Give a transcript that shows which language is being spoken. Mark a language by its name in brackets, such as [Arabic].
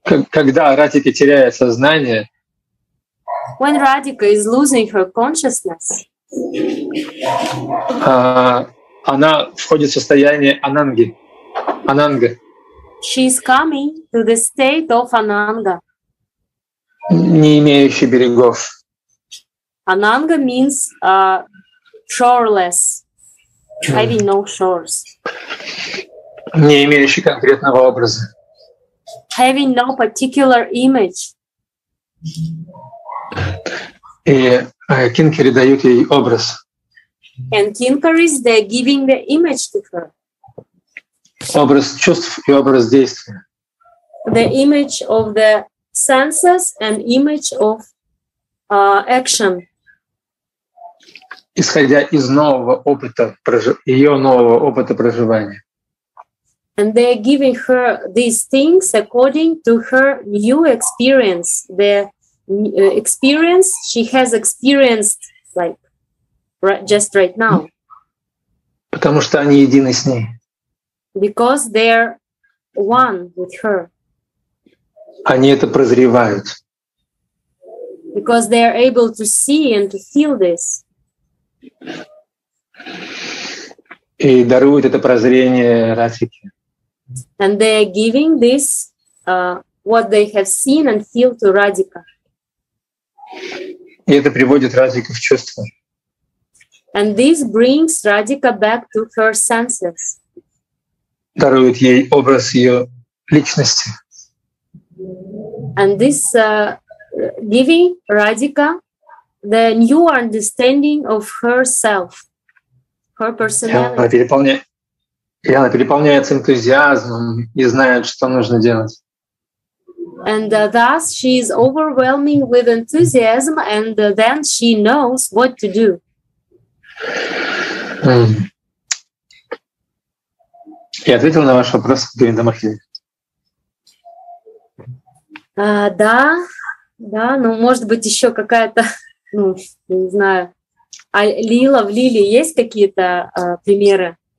[Russian] Когда Радика теряет сознание, [English] when Radhika is losing her consciousness, [Russian] она входит в состояние ананги. Ананга. [English] She is coming to the state of ananga. [Russian] Не имеющий берегов. [English] Ананга means shoreless, having no shores. [Russian] Не имеющий конкретного образа. [English] Having no particular image. [Russian] И Кинкари дают ей образ. [English] And Kinkaris, they're giving the image to her. [Russian] Образ чувств и образ действия. [English] The image of the senses and image of action. [Russian] Исходя из нового опыта, ее нового опыта проживания. [English] And they are giving her these things according to her new experience, the experience she has experienced, like just right now. [Russian] Потому что они едины с ней. [English] Because they are one with her. [Russian] Они это прозревают. [English] Because they are able to see and to feel this. [Russian] И даруют это прозрение Радхике. [English] And they are giving this what they have seen and feel to Radhika. [Russian] И это приводит Радхику в чувство. [English] And this brings Radhika back to her senses. [Russian] Дарует ей образ ее личности. [English] And this giving Radhika the new understanding of herself, her personality. [Russian] И она переполняется энтузиазмом и знает, что нужно делать. [English] And thus she is overwhelming with enthusiasm, and then she knows what to do. [Russian] Я ответил на ваш вопрос, Говинда Махни. Да, да, но может быть еще какая-то ну, не знаю. А Лила, в Лиле есть какие-то примеры?